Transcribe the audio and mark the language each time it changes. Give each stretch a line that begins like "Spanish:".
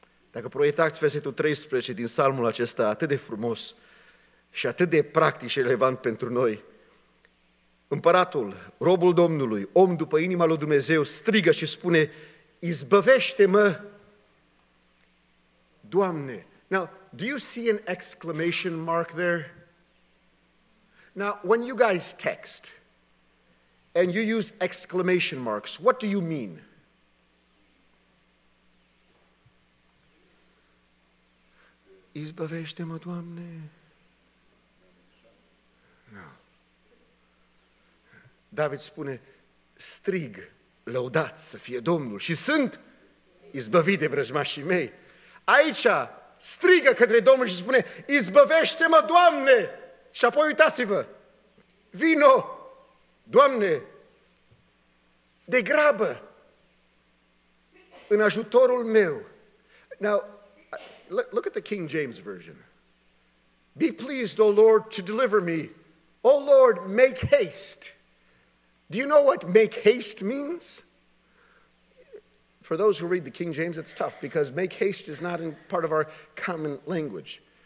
Romanian: Dacă proiectați versetul 13 din psalmul acesta, atât de frumos și atât de practic și relevant pentru noi, împăratul, robul Domnului, om după inima lui Dumnezeu, strigă și spune, izbăvește-mă, Doamne.
English: Now, do you see an exclamation mark there? Now, when you guys text and you use exclamation marks, what do you mean?
Romanian: Izbăvește-mă, Doamne!
English: No.
Romanian: David spune, strig, lăudat să fie Domnul și sunt izbăvit de vrăjmașii mei. Aici strigă către Domnul și spune, izbăvește-mă, Doamne! Și apoi uitați-vă, vino, Doamne, de grabă, în ajutorul meu.
English: Now, look at the King James Version. Be pleased, O Lord, to deliver me. O Lord, make haste. Do you know what make haste means? For those who read the King James, it's tough because make haste is not in part of our common language.